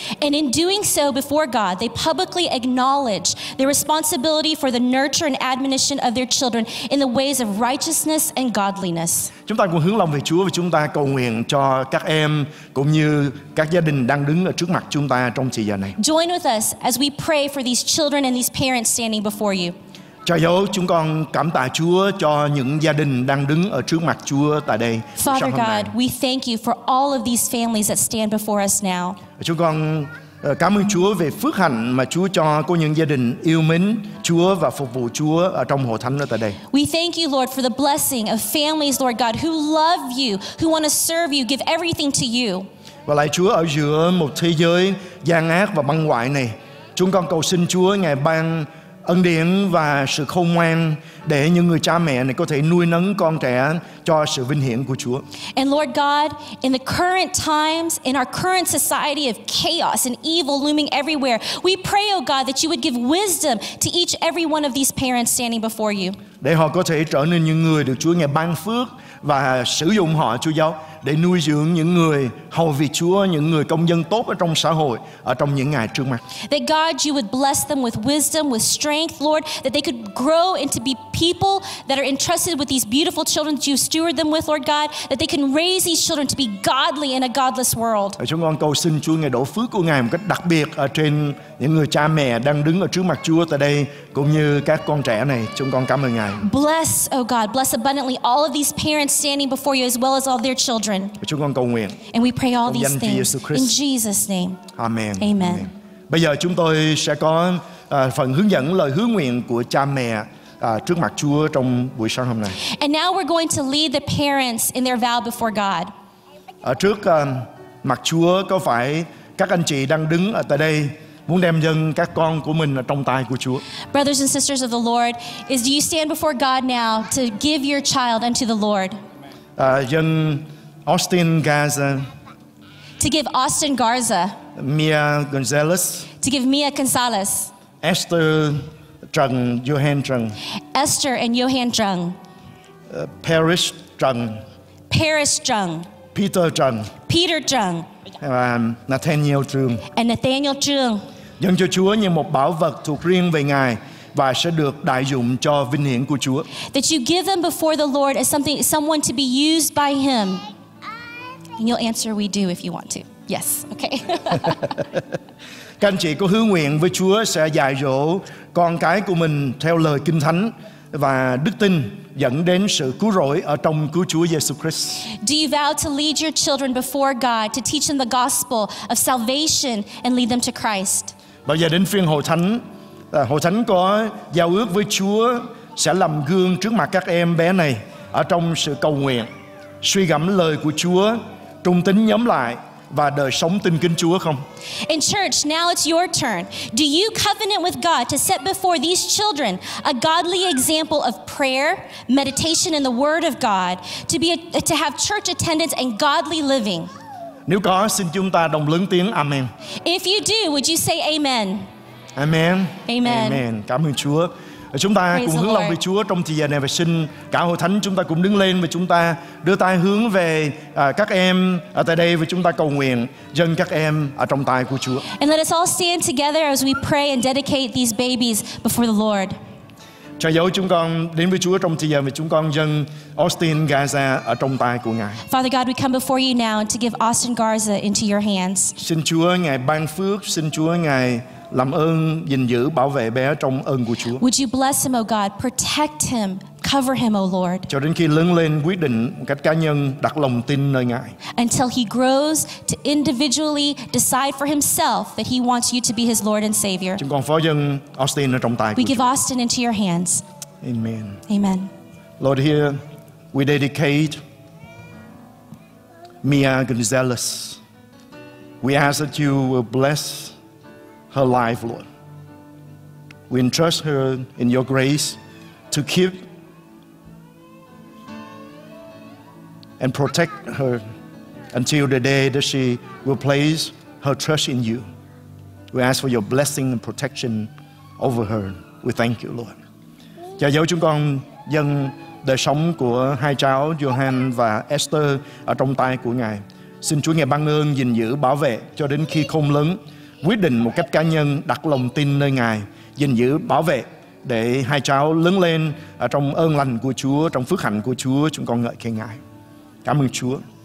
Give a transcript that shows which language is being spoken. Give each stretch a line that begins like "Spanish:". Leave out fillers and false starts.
English: And in doing so before God, they publicly acknowledge their responsibility for the nurture and admonition of their children in the ways of righteousness and godliness.
Vietnamese: Chúng ta cùng hướng lòng về Chúa và chúng ta cầu nguyện cho các em cũng như các gia đình đang đứng ở trước mặt chúng ta trong thời gian này.
English: Join with us as we pray for these children and these parents standing before you.
Vietnamese: Cha dấu, chúng con cảm tạ Chúa cho những gia đình đang đứng ở trước mặt Chúa tại đây.
English: Father God, we thank you for all of these families that stand before us now.
Vietnamese: Chúng con cảm ơn Chúa về phước hạnh mà Chúa cho của những gia đình yêu mến Chúa và phục vụ Chúa ở trong hội thánh ở tại đây.
English: We thank you, Lord, for the blessing of families, Lord God, who love you, who want to serve you, give everything to you.
Vietnamese: Và lạy Chúa, ở giữa một thế giới gian ác và băng hoại này, chúng con cầu xin Chúa ngài ban ân điển và sự khôn ngoan để những người cha mẹ này có thể nuôi nấng con trẻ cho sự vinh hiển của Chúa.
English: And Lord God, in the current times, in our current society of chaos and evil looming everywhere, we pray, O God, that you would give wisdom to each every one of these parents standing before you.
Vietnamese: Để họ có thể trở nên những người được Chúa ngài ban phước và sử dụng họ, Chúa Giáo, để nuôi dưỡng những người hầu việc Chúa, những người công dân tốt ở trong xã hội, ở trong những ngày trước mặt.
English: That God, you would bless them with wisdom, with strength, Lord, that they could grow into be people that are entrusted with these beautiful children that you steward them with, Lord God, that they can raise these children to be godly in a godless world.
Vietnamese: Chúng con cầu xin Chúa ngài đổ phước của ngài một cách đặc biệt ở trên những người cha mẹ đang đứng ở trước mặt Chúa tại đây, cũng như các con trẻ này. Chúng con cảm ơn ngài.
English: Bless, oh God, bless abundantly all of these parents standing before you, as well as all their children.
Vietnamese: Chúng con cầu nguyện.
English: And we pray all these things in Jesus' name. Amen. Amen. Amen.
Vietnamese: Bây giờ chúng tôi sẽ có phần hướng dẫn lời hứa nguyện của cha mẹ trước mặt Chúa trong buổi sáng hôm nay.
English: And now we're going to lead the parents in their vow before God.
Vietnamese: Trước mặt Chúa, có phải các anh chị đang đứng ở tại đây muốn đem dâng các con của mình ở trong tay của Chúa?
English: Brothers and sisters of the Lord, do you stand before God now to give your child unto the Lord?
Vietnamese: Dâng Austin Garza.
English: To give Austin Garza.
Vietnamese: Mia Gonzalez.
English: To give Mia Gonzalez.
Vietnamese: Esther Trần, Johan Trần.
English: Esther and Johan Trần.
Vietnamese: Paris Trần.
English: Paris Trần.
Vietnamese: Peter Trần.
English: Peter Trần.
Vietnamese: Nathaniel Trương.
English: And Nathaniel Trương.
Vietnamese: Dâng cho Chúa như một bảo vật thuộc riêng về ngài và sẽ được đại dụng cho vinh hiển của Chúa.
English: That you give them before the Lord as something, someone to be used by him. And you'll answer, we do, if you want to. Yes, okay.
Vietnamese: Các anh chị có hứa nguyện với Chúa sẽ dạy dỗ con cái của mình theo lời Kinh Thánh và đức tin dẫn đến sự cứu rỗi ở trong cứu Chúa Jesus Christ.
English: Do you vow to lead your children before God to teach them the gospel of salvation and lead them to Christ?
Vietnamese: Bây giờ đến phiên Hội Thánh, Hội Thánh có giao ước với Chúa sẽ làm gương trước mặt các em bé này ở trong sự cầu nguyện, suy gẫm lời của Chúa, trung tín nhóm lại và đời sống tin kính Chúa không?
English: In church, now it's your turn. Do you covenant with God to set before these children a godly example of prayer, meditation in the Word of God, to have church attendance and godly living?
Vietnamese: Nếu có, xin chúng ta đồng lớn tiếng Amen.
English: If you do, would you say Amen? Amen. Amen.
Vietnamese: Amen. Cảm ơn Chúa. Chúng ta cùng hướng lòng về Chúa trong thời gian này, và xin cả Hội Thánh chúng ta cùng đứng lên và chúng ta đưa tay hướng về các em ở tại đây, và chúng ta cầu nguyện dâng các em ở trong tay của Chúa.
English: And let us all stand together as we pray and dedicate these babies before the Lord.
Vietnamese: Cha dấu chúng con đến với Chúa trong thời gian và chúng con dâng Austin Garza ở trong tay của Ngài.
English: Father God, we come before you now to give Austin Garza into your hands.
Vietnamese: Xin Chúa ngài ban phước, xin Chúa ngài làm ơn gìn giữ bảo vệ bé trong ơn của Chúa.
English: Would you bless him, O God? Protect him, cover him, O Lord.
Vietnamese: Cho đến khi lớn lên quyết định một cách cá nhân đặt lòng tin nơi ngài.
English: Until he grows to individually decide for himself that he wants you to be his Lord and Savior.
Vietnamese: Chúng con phó dâng Austin ở trong tay của
English: Chúa. We give Austin into your hands. Amen. Amen. Lord, here we dedicate Mia Gonzalez. We ask that you will bless her life, Lord. We entrust her in your grace to keep and protect her until the day that she will place her trust in you. We ask for your blessing and protection over her. We thank you, Lord.
Vietnamese: Cha dấu chúng con dâng đời sống của hai cháu Johan và Esther ở trong tay của ngài. Xin Chúa ngài ban ơn gìn giữ bảo vệ cho đến khi khôn lớn, quyết định một cách cá nhân đặt lòng tin nơi ngài, gìn giữ bảo vệ để hai cháu lớn lên ở trong ơn lành của Chúa, trong phước hạnh của Chúa. Chúng con ngợi khen ngài. Cảm ơn Chúa.